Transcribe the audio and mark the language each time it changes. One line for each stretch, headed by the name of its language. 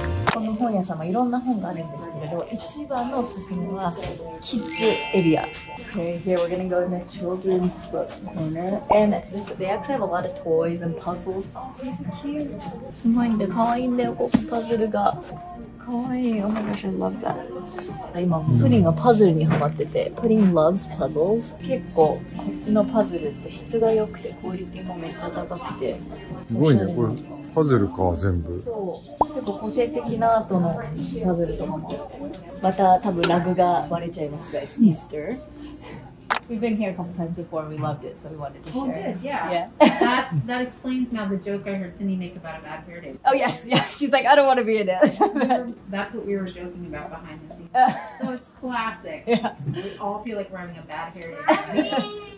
Japanese: この本屋さんはいろんな本があるんですけれど、一番のおすすめはキッズエリア。
English: Okay, here we're gonna go in the children's book corner. And this, they actually have a lot of toys and puzzles.
Japanese: すごいんで、かわいいんだよ、ここパズルが。かわいい。
English: Oh my gosh, I love that.
Japanese: 今、プリンがパズルにハマってて、プリン
English: loves puzzles.
Japanese: 結構、こっちのパズルって質が良くて、クオリティもめっちゃ高くて。すごいね、これ。パズルか、全部。そう。結構個性的なアートのパズルとかも。また多分ラグが割れちゃいますが、
English: It's Easter. We've been here a couple times before and we loved it, so we wanted to share. Oh, good, yeah. That explains now the joke I heard Cindy make about a bad hair day. Oh, yes, yeah. She's like, I don't want to be in it. That's what we were joking about behind the scenes. So it's classic. Yeah. We all feel like we're having a bad hair day.